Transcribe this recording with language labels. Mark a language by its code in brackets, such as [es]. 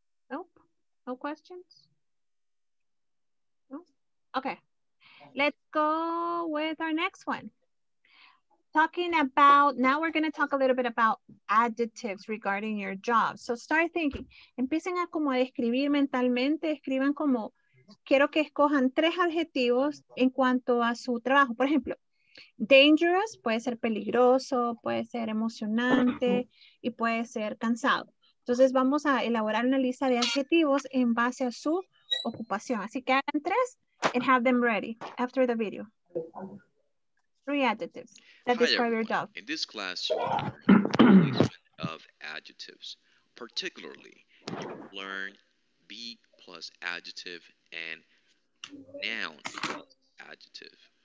[en] Nope. No questions? Nope. Okay. Let's go with our next one. Talking about, now we're going to talk a little bit about adjectives regarding your job. So start thinking. [es] Empiecen a como describir mentalmente, escriban como, quiero que escojan tres adjetivos en cuanto a su trabajo. Por ejemplo, dangerous puede ser peligroso, puede ser emocionante y puede ser cansado. Entonces vamos a elaborar una lista de adjetivos en base a su ocupación. Así que hagan tres [en] and have them ready after the video. Three adjectives that describe your job. In this class, you learn the placement of adjectives. Particularly, you learn B plus adjective and noun plus adjective.